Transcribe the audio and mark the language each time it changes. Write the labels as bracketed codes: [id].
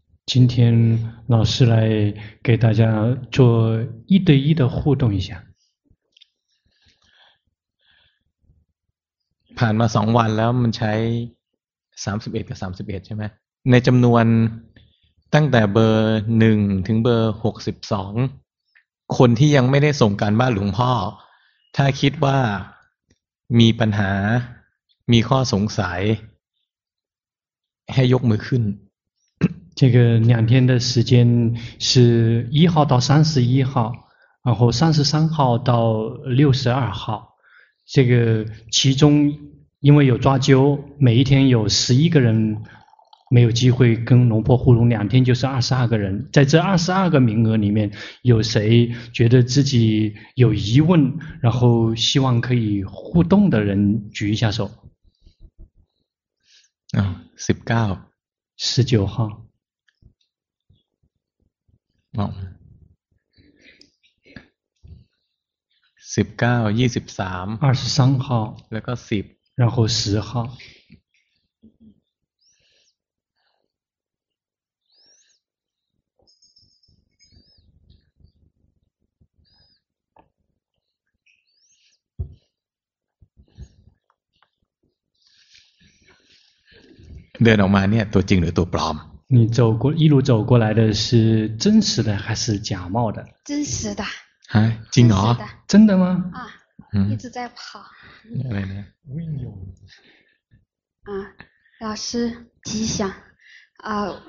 [zh] 今天老师来给大家做一对一的互动一下。 [th] ผ่านมา2วันแล้วมันใช้31กับ31ใช่ไหมในจำนวนตั้งแต่เบอร์1ถึงเบอร์62คนที่ยังไม่ได้ส่งการบ้านหลวงพ่อถ้าคิดว่ามีปัญหามีข้อสงสัยให้ยกมือขึ้น [zh] 这个两天的时间是1号到31号然后33号到62号这个其中因为有抓阄每一天有11个人没有机会跟龙婆互动两天就是22个人在这22个名额里面有谁觉得自己有疑问然后希望可以互动的人举一下手19号 19 23 23号 [th] แล้วก็10 [zh] 然后10号 [th] เดินออกมาเนี่ยตัวจริงหรือตัวปลอม [zh] 你走过一路走过来的是真实的还是假冒的真实的啊真的真的吗啊一直在跑啊老师吉祥啊